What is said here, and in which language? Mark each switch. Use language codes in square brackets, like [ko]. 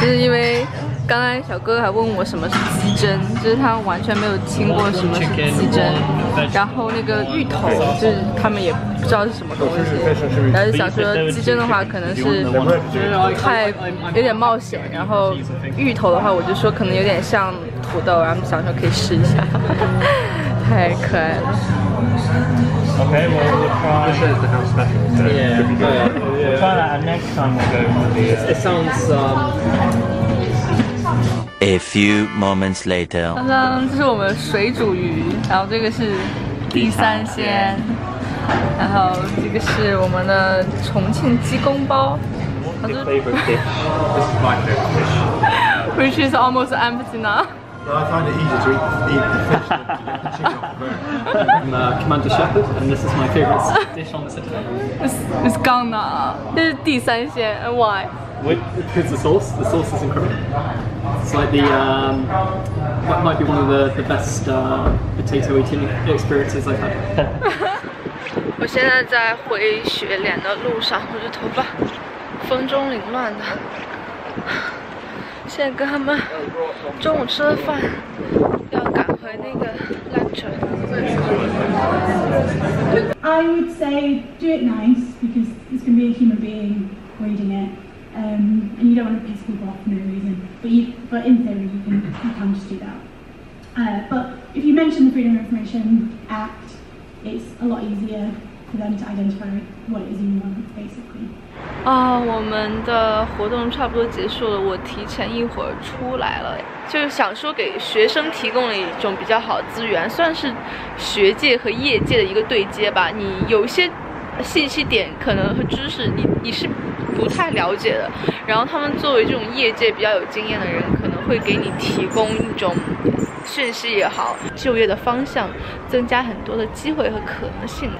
[zh] 就是因为刚才小哥哥还问我什么是鸡胗，就是他完全没有听过什么是鸡胗，然后那个芋头就是他们也不知道是什么东西，然后就想说鸡胗的话可能是太有点冒险，然后芋头的话我就说可能有点像土豆，然后想说可以试一下，太可爱了。 [en] Okay, well, we'll try. This is the house special, so yeah, it should be good. Yeah. We'll try that, and next time we'll go for the... It sounds, A few moments later. [zh] 刚刚这是我们水煮鱼，然后这个是地三鲜，然后这个是我们的重庆鸡公煲。 [en] What's your favorite dish? This is my favorite dish. Which is almost empty now. So I find it easier to eat the fish than to eat the chicken off the bone. I'm Commander Shepard, and this is my favorite dish on the Citadel. It's gone now. This is 地三鲜, and why? Because the sauce is incredible. It's like the, that might be one of the best potato eating experiences I've had. [zh] 我现在在回雪莲的路上，我的头发风中凌乱的。现在跟他们中午吃了饭，要赶回那个 lecture。 [en] I would say do it nice because it's going to be a human being reading it, and you don't want to piss people off for no reason. But in theory, you can just do that. But if you mention the Freedom of Information Act, it's a lot easier for them to identify what it is you want, basically. [zh] 啊，我们的活动差不多结束了，我提前一会儿出来了，就是想说给学生提供了一种比较好的资源，算是学界和业界的一个对接吧。你有些信息点可能和知识你是不太了解的，然后他们作为这种业界比较有经验的人，可能会给你提供一种讯息也好，就业的方向，增加很多的机会和可能性。